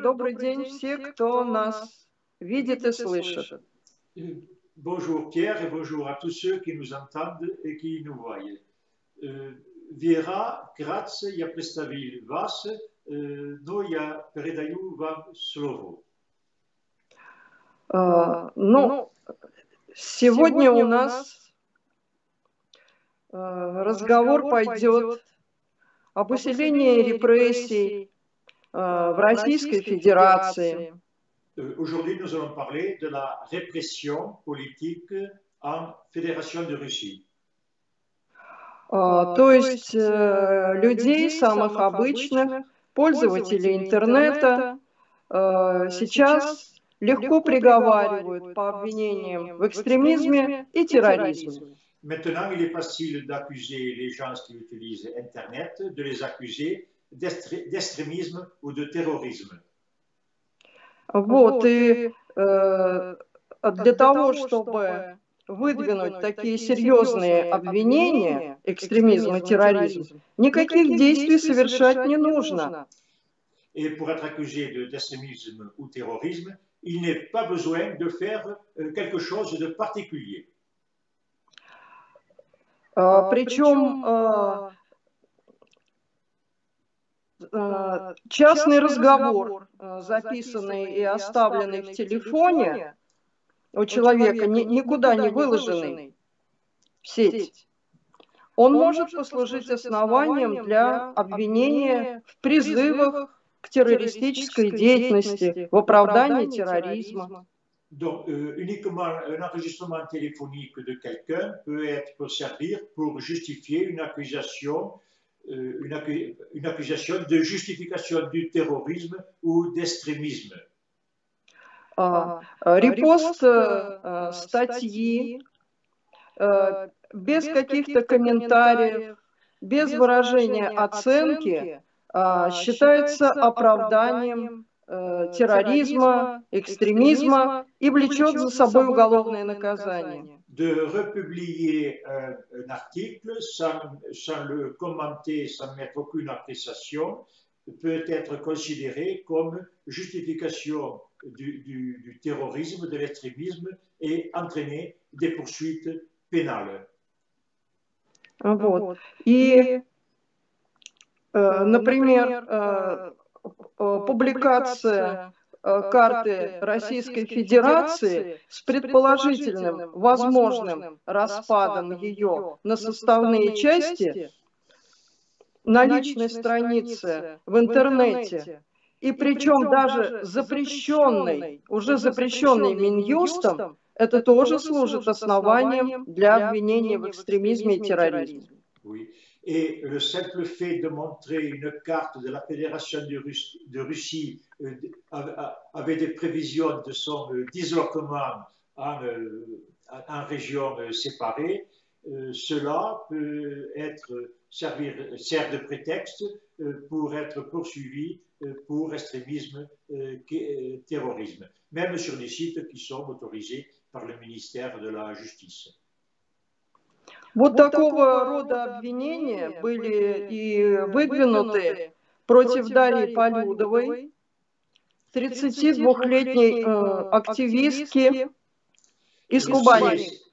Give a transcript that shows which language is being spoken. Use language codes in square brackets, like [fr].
[ru] Добрый день все, кто нас видит и слышит. [fr] Bonjour, Pierre, et bonjour à tous ceux qui nous entendent et qui nous voient. [ru] Vera, [it] grazie, [ru] я представил вас. Но я передаю вам слово. Ну, сегодня у нас разговор пойдет об усилении репрессий в Российской Федерации. [fr] Aujourd'hui, nous allons parler de la répression politique en Fédération de Russie. [ru] То есть людей самых обычных, пользователей интернета, сейчас легко приговаривают по обвинениям в экстремизме и терроризме. [fr] Maintenant, il est facile d'accuser les gens qui utilisent Internet, de les accuser d'extrémisme ou de terrorisme. [ru] Вот, и для того, чтобы выдвинуть такие серьезные обвинения экстремизм и терроризм, никаких действий совершать не нужно. [fr] Et pour être accusé d'extrémisme ou terrorisme, il n'est pas besoin de faire quelque chose de particulier. [ru] Причем частный разговор, записанный и оставленный в телефоне у человека, никуда не выложенный в сеть, он может послужить основанием для обвинения в призывах к террористической деятельности, в оправдании терроризма. [fr] Donc, uniquement un enregistrement téléphonique de quelqu'un peut être pour servir pour justifier une accusation de justification du terrorisme ou d'extrémisme. [ru] Riposte статьи без каких-то комментариев, без выражения оценки считается оправданием терроризма, экстремизма и влечет за собой уголовное наказание. [fr] De republier un article sans le commenter, sans mettre aucune appréciation, peut être considéré comme justification du terrorisme, de l'extrémisme et entraîner des poursuites pénales. [ru] Вот. И, например, публикация карты Российской Федерации с предположительным возможным распадом ее на составные части на личной странице в интернете, и причем даже запрещенной, уже запрещенной Минюстом, это тоже служит основанием для обвинения в экстремизме и терроризме. [fr] Et le simple fait de montrer une carte de la Fédération de Russie avec des prévisions de son disloquement en région séparée, cela peut être servir de prétexte pour être poursuivi pour extrémisme, terrorisme, même sur des sites qui sont autorisés par le ministère de la Justice. [ru] Вот такого рода обвинения были и выдвинуты против Дарьи Полюдовой, 32-летней активистки из Кубани.